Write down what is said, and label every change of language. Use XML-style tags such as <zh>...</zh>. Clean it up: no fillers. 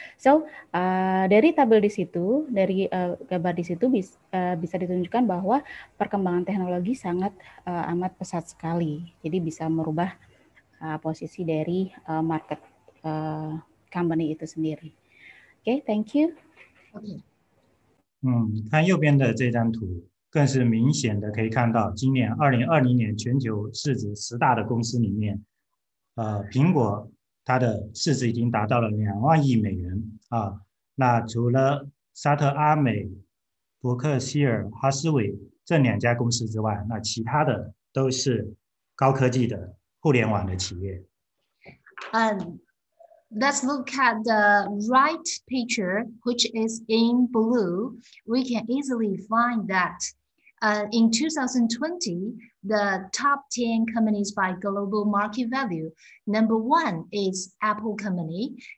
<id>So, dari tabel di situ, dari gambar di situ bisa ditunjukkan bahwa perkembangan teknologi sangat amat pesat sekali. Jadi bisa merubah posisi dari market company itu sendiri.</id> <en>Okay, thank you. Okay.</en> <zh>看右边的这张图，更是明显的可以看到，今年 2020 年全球市值十大的公司里面，苹果它的市值已经达到了 2万亿美元啊。那除了沙特阿美、伯克希尔哈斯韦这两家公司之外，那其他的 都是高科技的互联网的企业.</zh> <en>Let's look at the right picture, which is in blue. We can easily find that in 2020, the top 10 companies by global market value, number one is Apple company.</en>